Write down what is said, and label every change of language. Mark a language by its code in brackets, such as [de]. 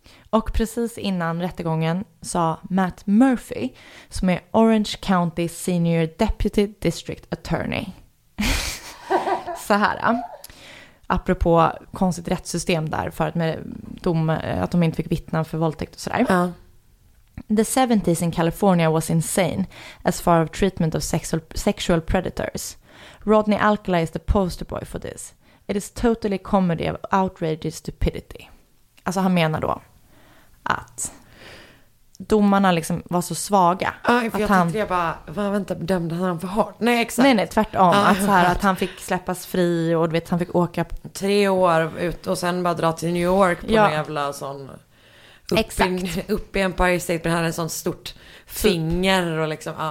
[sv] Och precis innan rättegången sa Matt Murphy, som är Orange County Senior Deputy District Attorney, så här, apropå konstigt rättssystem där, för att, med dom, att de inte fick vittna för våldtäkt och sådär. [en] The 70s in California was insane as far as treatment of sexual predators. Rodney Alcala is the poster boy for this. It is totally comedy of outrageous stupidity. [sv] Alltså han menar då att domarna liksom var så svaga. Vänta, dömde han för hårt? Nej, exakt. Nej, tvärtom. Att, så här, att han fick släppas fri och du vet, han fick åka tre år ut och sen bara dra till New York på en jävla sån upp i Empire State, men han hade en sån stort finger och liksom,